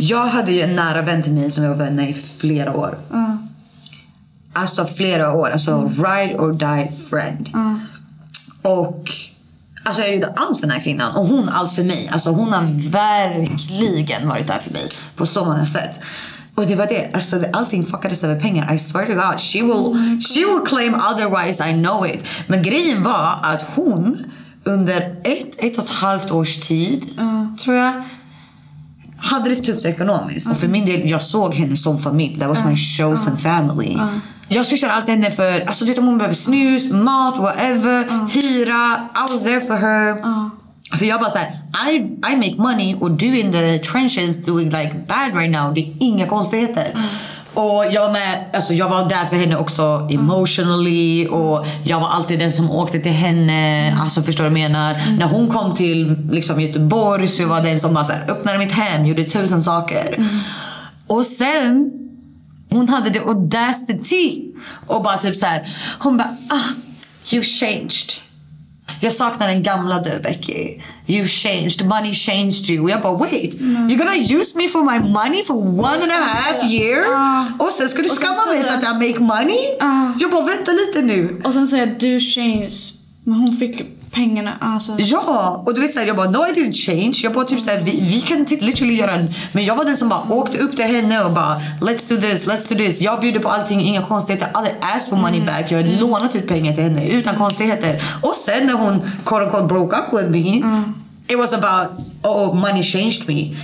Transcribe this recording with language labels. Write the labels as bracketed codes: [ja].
[sv] Jag hade ju en nära vän till mig som jag var vänner i flera år. Alltså flera år, alltså [en] ride or die friend. [sv] Och alltså jag gjorde allt för den här kvinnan och hon allt för mig. Alltså hon har verkligen varit där för mig på så många sätt. Och det var det, alltså allting fuckades över pengar. [en] I swear to god, she will claim otherwise, I know it. [sv] Men grejen var att hon under ett och ett halvt års tid, tror jag, hade det tufft ekonomiskt. Och för min del, jag såg henne som familj. [en] That was my chosen family. [sv] Jag swishade allt henne för, alltså det, om hon behöver snus, mat, whatever, hyra, [en] I was there for her. [sv] För jag bara såhär, [en] I make money [sv] och du [en] in the trenches doing like bad right now. [sv] Det är inga konstigheter. Och jag med, alltså jag var där för henne också emotionally. Och jag var alltid den som åkte till henne. Alltså förstår du menar. När hon kom till liksom Göteborg, så var den som bara såhär öppnade mitt hem, gjorde tusen saker. Och sen hon hade det audacity och bara typ såhär, hon bara, [en] you've changed. [sv] Jag saknar den gamla du, Becky. [en] You've changed, money changed you. [sv] Jag bara, [en] wait, you're gonna use me for my money for one and a half year? [sv] Och sen ska du skamma mig för att jag [en] make money? [sv] Jag bara, vänta lite nu. Och sen säger jag, du changed. Men hon fick pengarna, alltså. Ja, och du vet såhär, jag bara, [en] no I didn't change. [sv] Jag bara typ såhär, vi kan literally göra en. Men jag var den som bara åkte upp till henne och bara, [en] let's do this, let's do this. [sv] Jag bjuder på allting, inga konstigheter. [en] I asked for money back, [sv] jag har lånat ut pengar till henne utan konstigheter. Och sen när hon [en] quote unquote broke up with me, it was about, money changed me.